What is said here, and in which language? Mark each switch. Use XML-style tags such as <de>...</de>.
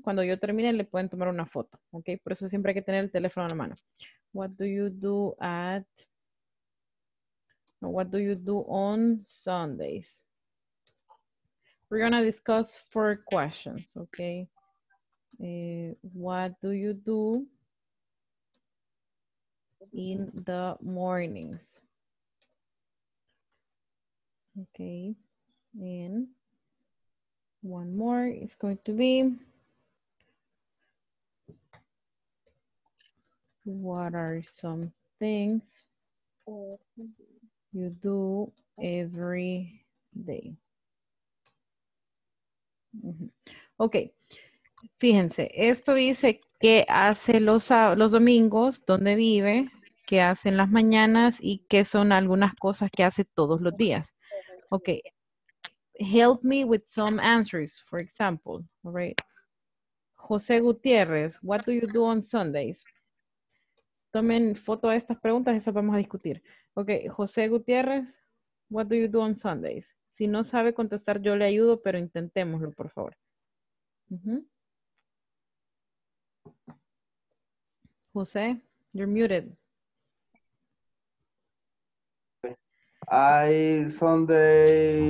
<es>Cuando yo termine, le pueden tomar una foto, okay? Por eso siempre hay que tener el teléfono en la mano.</es> <en>What do you do at, what do you do on Sundays? We're gonna discuss four questions, okay? What do you do in the mornings? Okay, and one more is going to be, what are some things you do every day? Mm-hmm.</en> <es>Okay, fíjense, esto dice qué hace los domingos, dónde vive, qué hace en las mañanas y qué son algunas cosas que hace todos los días.</es> <en>Okay, help me with some answers, for example. All right, José Gutiérrez, what do you do on Sundays?</en> <es>Tomen foto a estas preguntas, esas vamos a discutir. Ok, José Gutiérrez,</es> <en>what do you do on Sundays?</en> <es>Si no sabe contestar, yo le ayudo, pero intentémoslo, por favor. Mm-hmm.</es> <en>José, you're muted. I, Sunday.</en>